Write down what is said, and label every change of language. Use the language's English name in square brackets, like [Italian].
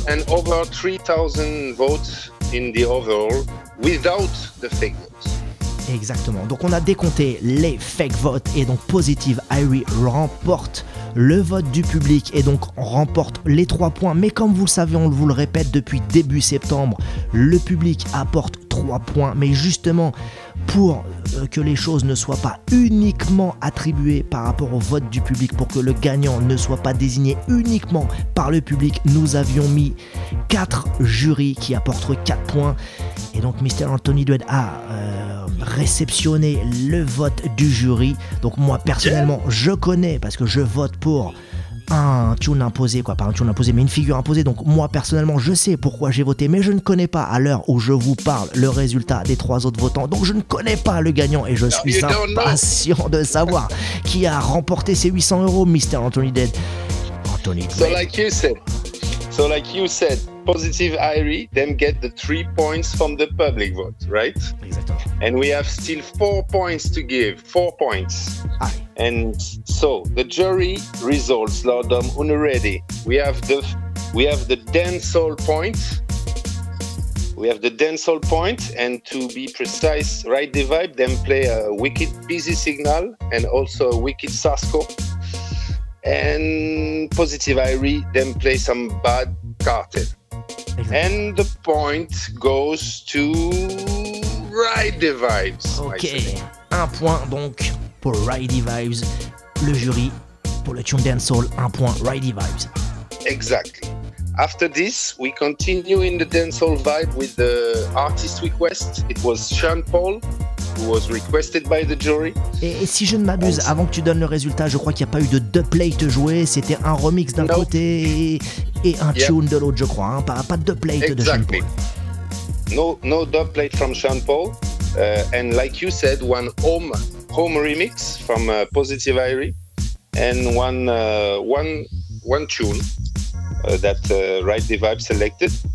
[English] And over 3,000 votes in the overall without the fake votes. [French] Exactement. Donc on a décompté les fake votes et donc Positive Irie remporte le vote du public et donc remporte les 3 points. Mais comme vous le savez, on vous le répète depuis début septembre, le public apporte 3 points. Mais justement, pour que les choses ne soient pas uniquement attribuées par rapport au vote du public, pour que le gagnant ne soit pas désigné uniquement par le public, nous avions mis 4 jurys qui apportent 4 points. Et donc Mr. Anthony Dread a réceptionné le vote du jury. Donc moi personnellement, je connais, parce que je vote pour une figure imposée. Donc moi personnellement, je sais pourquoi j'ai voté, mais je ne connais pas, à l'heure où je vous parle, le résultat des 3 autres votants. Donc je ne connais pas le gagnant et je suis impatient de savoir qui a remporté ces 800 euros, Mr. Anthony Dead. [English] So like you said, Positive Irie then get the 3 points from the public vote, right? Exactly. And we have still 4 points to give. 4 points. Aye. And so the jury results, Lord Dom, unready. We have the dancehall point. We have the dancehall point, and to be precise, Right Divide then play a Wicked Busy Signal and also a Wicked Sasko. And Positive Irie then play some Bad Cartel. Exactly. And the point goes to Right Divides. [French] Ok, un point donc pour Right Divides. Le jury pour le Tune Dancehall, un point Right Divides. [English] Exactly. After this, we continue in the dancehall vibe with the artist request. It was Sean Paul, who was requested by the jury. [French] Et si je ne m'abuse, avant que tu donnes le résultat, je crois qu'il n'y a pas eu de dubplate joué. C'était un remix d'un côté et un tune de l'autre, je crois. Hein. Pas de dubplate de Sean Paul. [English] No dubplate from Sean Paul. And like you said, one home remix from Positive Irie. And one tune that Ride the Vibe selected.